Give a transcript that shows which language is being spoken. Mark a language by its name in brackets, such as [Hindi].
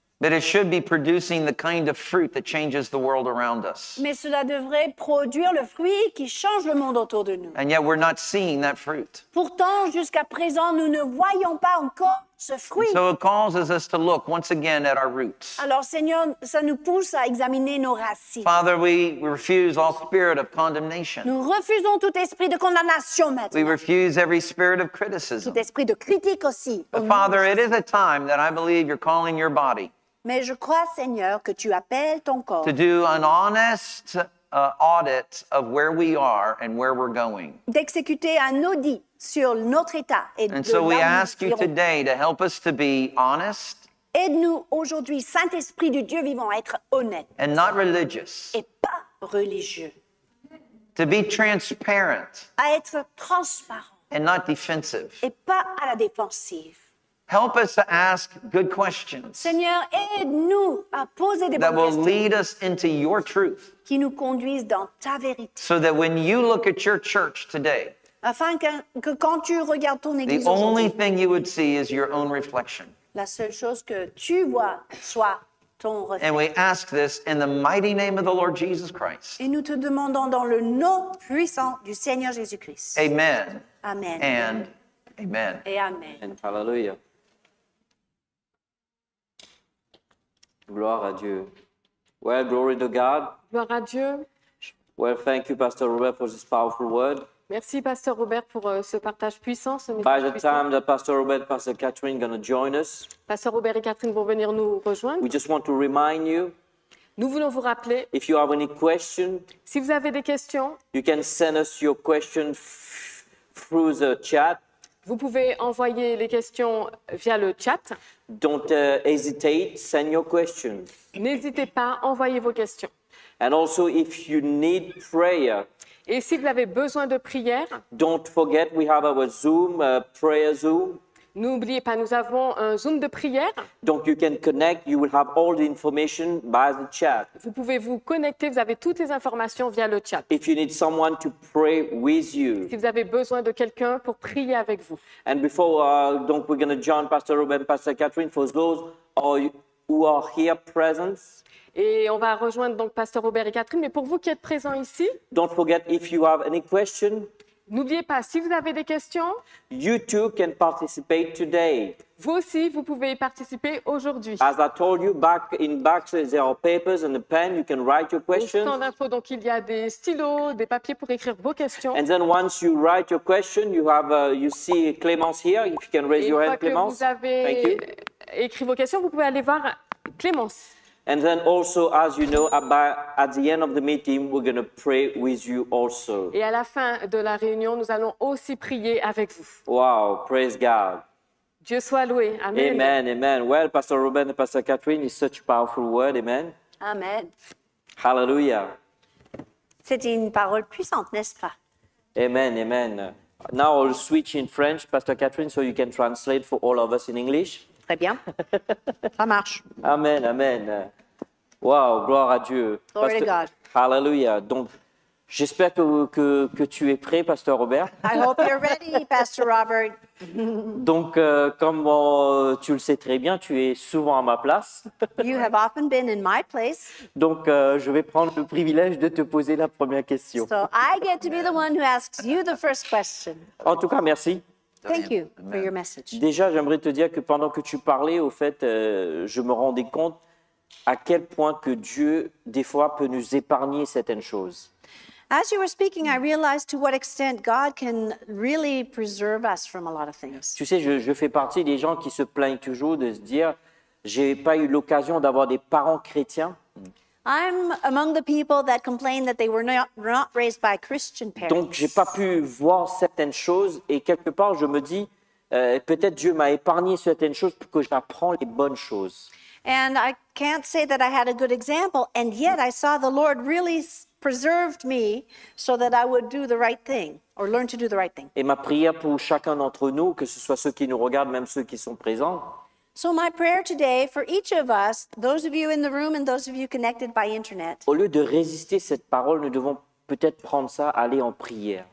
[English] But it should be producing the kind of fruit that changes the world around us. [French] Mais cela devrait produire le fruit qui change le monde autour de nous. [English] And yet we're not seeing that fruit. [French] Pourtant, jusqu'à présent, nous ne voyons pas encore ce fruit. [English] And so it causes us to look once again at our roots. [French] Alors, Seigneur, ça nous pousse à examiner nos racines. [English] Father, we refuse all spirit of condemnation. [French] Nous refusons tout esprit de condamnation maintenant. [English] We refuse every spirit of criticism. [French] Tout esprit de critique aussi. [English] But Father, it is a time that I believe you're calling your body. [French] Mais je crois, Seigneur, que tu appelles ton corps. [English] To do an honest audit of where we are and where we're going. [French] D'exécuter un audit sur notre état et [English] and so we ask you today to help us to be honest. [French] Aide-nous aujourd'hui, Saint-Esprit du Dieu vivant, à être honnête. [English] And not religious. [French] Et pas religieux. [English] To be transparent. [French] À être transparent. [English] And not defensive. [French] Et pas à la défensive. [English] Help us to ask good questions. [French] Seigneur, aide-nous à poser des [English] that will lead us into your truth. [French] Qui nous conduisent dans ta vérité. [English] So that when you look at your church today, [French] afin que quand tu regardes ton église [English] the only thing you would see is your own reflection. [French] La seule chose que tu vois soit ton reflet. [English] And we ask this in the mighty name of the Lord Jesus Christ. [French] Et nous te demandons dans le nom puissant du Seigneur Jésus-Christ. [English] Amen. [French] Amen. [English] And amen. [French] Et amen. [English] And hallelujah. [French] Gloire à Dieu. [English] Well, glory to God. [French] Gloire à Dieu. [English] Well, thank you, Pastor Robert, for this powerful word. [French] Merci, Pasteur Robert, pour ce partage puissant. Ce [English] By the [French] puissant. [English] Time that Pastor Robert and Pastor Catherine are going to join us, [French] Pasteur Robert et Catherine vont venir nous rejoindre. [English] We just want to remind you. [French] Nous voulons vous rappeler. [English] If you have any questions, [French] si vous avez des questions, [English] you can send us your questions through the chat. [French] Vous pouvez envoyer les questions via le chat. [English] Don't hesitate, send your questions. [French] N'hésitez pas, envoyez vos questions. [English] And also, if you need prayer. [French] Et si vous avez besoin de prière. [English] Don't forget, we have our Zoom, prayer Zoom. [French] N'oubliez pas, nous avons un Zoom de prière. [English] Donc, you can connect, you will have all the information by the chat. [French] Vous pouvez vous connecter, vous avez toutes les informations via le chat. [English] If you need someone to pray with you. [French] Si vous avez besoin de quelqu'un pour prier avec vous. [English] And before, donc, we're going to join Pastor Robert and Pastor Catherine for those who are here present. [French] Et on va rejoindre donc Pasteur Robert et Catherine. Mais pour vous qui êtes présents ici, [English] don't forget if you have any question. [French] N'oubliez pas, si vous avez des questions, [English] you too can participate today. [French] Vous aussi, vous pouvez y participer aujourd'hui. [English] As I told you, back in bags, there are papers and a pen. You can write your questions. [French] Au stand d'info, donc il y a des stylos, des papiers pour écrire vos questions. [English] And then once you write your question, you have, you see Clémence here. If you can raise your hand, Clémence. [French] Et une fois que vous avez écrit vos questions, vous pouvez aller voir Clémence. [English] And then also, as you know, at the end of the meeting, we're going to pray with you also. [French] Et à la fin de la réunion, nous allons aussi prier avec vous. [English] Wow, praise God. [French] Dieu soit loué. Amen. Amen, amen. [English] Well, Pastor Ruben and Pastor Catherine, it's such a powerful word. Amen. Amen. Hallelujah. [French] C'est une parole puissante, n'est-ce pas? [English] Amen, amen. Now I'll switch in French, Pastor Catherine, so you can translate for all of us in English. [French] Très bien. Ça marche. Amen, amen. Wow, gloire à Dieu. [English] Glory to God. Hallelujah. [French] Donc, j'espère que tu es prêt, Pasteur Robert. [English] I hope you're ready, Pastor Robert. [French] Donc, comme tu le sais très bien, tu es souvent à ma place. [English] You have often been in my place. [French] Donc, je vais prendre le privilège de te poser la première question. [English] So, I get to be the one who asks you the first question. [French] En tout cas, merci. [English] Thank you for your message. [French] Déjà, j'aimerais te dire que pendant que tu parlais, au fait, je me rendais compte à quel point que Dieu, des fois, peut nous épargner certaines choses. [English] As you were speaking, I realized to what extent God can really preserve us from a lot of things. [French] Tu sais, je fais partie des gens qui se plaignent toujours de se dire, j'ai pas eu l'occasion d'avoir des parents chrétiens. [English] I'm among the people that complain that they were not raised by Christian parents. [French] Donc, j'ai pas pu voir certaines choses et quelque part, je me dis, peut-être Dieu m'a épargné certaines choses pour que j'apprenne les bonnes choses. [English] And I can't say that I had a good example, and yet I saw the Lord really preserved me so that I would do the right thing or learn to do the right thing. [French] Et ma prière pour chacun d'entre nous, que ce soit ceux qui nous regardent, même ceux qui sont présents. [English] So my prayer today for each of us, those of you in the room and those of you connected by internet. [French] Au lieu de résister cette parole, nous devons peut-être prendre ça, aller en prière.